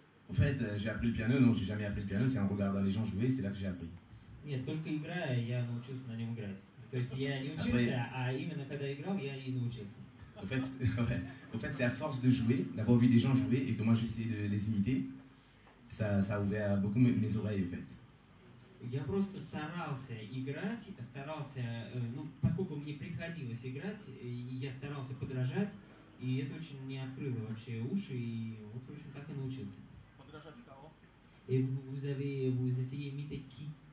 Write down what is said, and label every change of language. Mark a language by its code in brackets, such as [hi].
[fr] En fait, j'ai appris le piano, non, j'ai jamais appris le piano, c'est en regardant les gens jouer, c'est là que j'ai appris. [ru] Нет, только играя, я научился на нем играть. То есть я не учился, а именно когда играл, я и научился. [fr] En fait, c'est à force de jouer, d'avoir vu des gens jouer et que moi j'essayais de les imiter, ça a ouvert beaucoup mes oreilles en fait. [ru] Я просто старался играть, старался, ну, поскольку мне приходилось играть, я старался подражать, и это очень мне открыло вообще уши, и вот, в общем, так и научился. Подражать кого? [fr] Et vous essayez imiter qui?